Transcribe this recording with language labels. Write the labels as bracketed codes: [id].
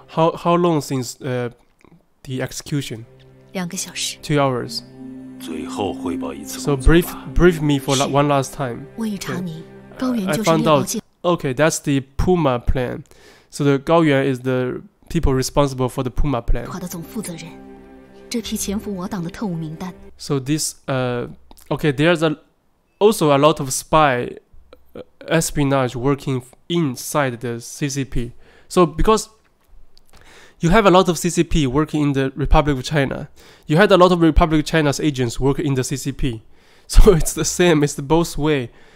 [en] How long since the execution? [zh] 两个小时 [en] 2 hours [zh] 最后汇报一次 [en] So brief me for one last time [zh] 我已查明高原就是 [en] 猎豹舰 Okay, that's the Puma plan So the 高原 is the people responsible for the Puma plan [zh] 我的总负责人这批潜伏我党的特务名单 [en] So this Okay, there's also a lot of spy espionage working inside the CCP So becauseYou have a lot of CCP working in the Republic of China. You had a lot of Republic of China's agents work in the CCP. So it's the same, it's the both way.